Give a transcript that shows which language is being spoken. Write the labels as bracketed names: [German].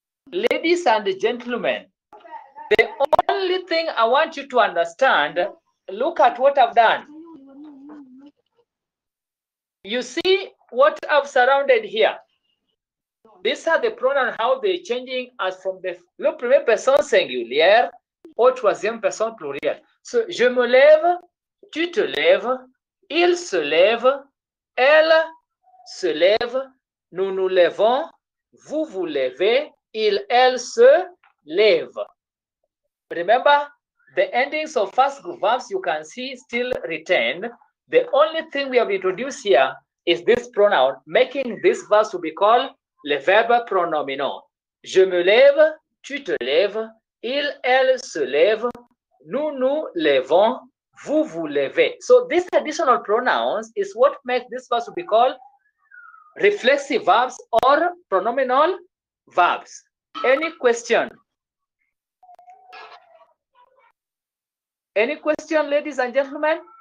[English] Ladies and gentlemen, the only thing I want you to understand, look at what I've done. You see what I've surrounded here. These are the pronouns, how they're changing as from the [French] le premier person singulier au troisième person pluriel. So, je me lève, tu te lèves, il se lève, elle se lève, nous nous lèvons, vous vous lèvez, il, elle se lève. [English] Remember, the endings of first group verbs you can see still retained. The only thing we have introduced here is this pronoun, making this verse to be called [French] le verbe pronominal. Je me lève, tu te lèves, il, elle se lève, nous nous lèvons, vous vous lèvez. [English] So this additional pronouns is what makes this verb to be called reflexive verbs or pronominal verbs. Any question? Any question, ladies and gentlemen?